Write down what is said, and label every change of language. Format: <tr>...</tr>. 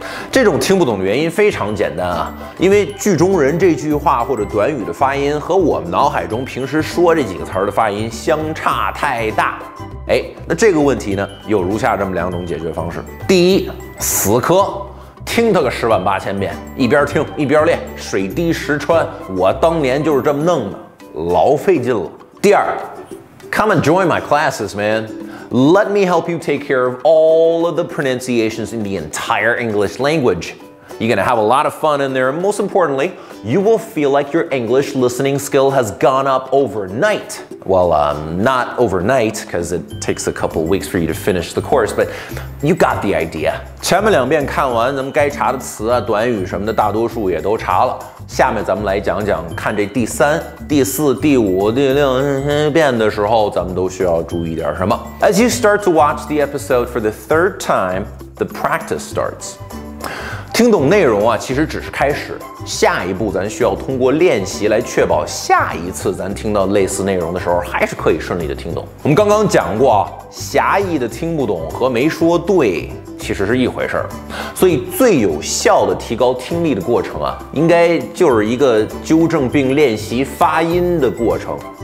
<zh>这种听不懂的原因非常简单啊，因为剧中人这句话或者短语的发音和我们脑海中平时说这几个词的发音相差太大。哎，那这个问题呢，有如下这么两种解决方式。第一，死磕，听他个十万八千遍，一边听一边练，水滴石穿，我当年就是这么弄的，老费劲了。第二，</zh> <en>Come and join my classes, man. Let me help you take care of all of the pronunciations in the entire English language. You're gonna have a lot of fun in there. Most importantly, you will feel like your English listening skill has gone up overnight. Well, not overnight, because it takes a couple weeks for you to finish the course, but you got the idea.</en> <zh>前面两遍看完，咱们该查的词啊、短语什么的，大多数也都查了。下面咱们来讲讲看这第三、第四、第五、第六遍的时候，咱们都需要注意点什么。</zh> <en>As you start to watch the episode for the third time, the practice starts.</en> <zh>听懂内容啊，其实只是开始，下一步咱需要通过练习来确保下一次咱听到类似内容的时候还是可以顺利的听懂。我们刚刚讲过啊，狭义的听不懂和没说对其实是一回事儿，所以最有效的提高听力的过程啊，应该就是一个纠正并练习发音的过程。</zh>